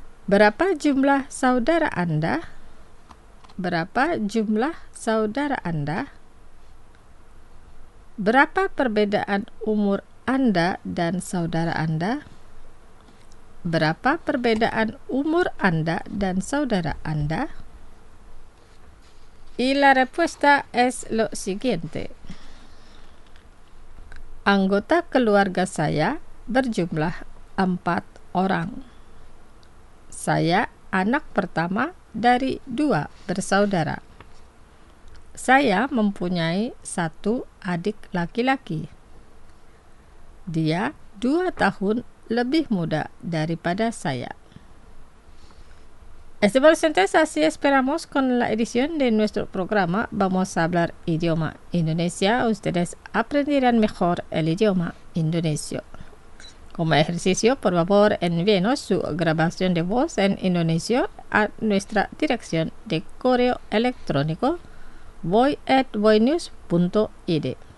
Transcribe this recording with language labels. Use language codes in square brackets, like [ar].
[id] ¿Berapa jumlah saudara Anda? ¿Berapa jumlah saudara Anda? ¿Berapa perbedaan umur Anda dan saudara Anda? ¿Berapa perbedaan umur Anda dan saudara Anda? [es] Y la respuesta es lo siguiente. [id] Anggota keluarga saya berjumlah 4 orang. Saya anak pertama dari 2 bersaudara. Saya mempunyai 1 adik laki-laki. Dia 2 tahun lebih muda daripada saya. [es] Estimados docentes, así esperamos con la edición de nuestro programa Vamos a Hablar Idioma Indonesia. Ustedes aprenderán mejor el idioma indonesio. Como ejercicio, por favor, envíenos su grabación de voz en indonesio a nuestra dirección de correo electrónico voy@voynews.id.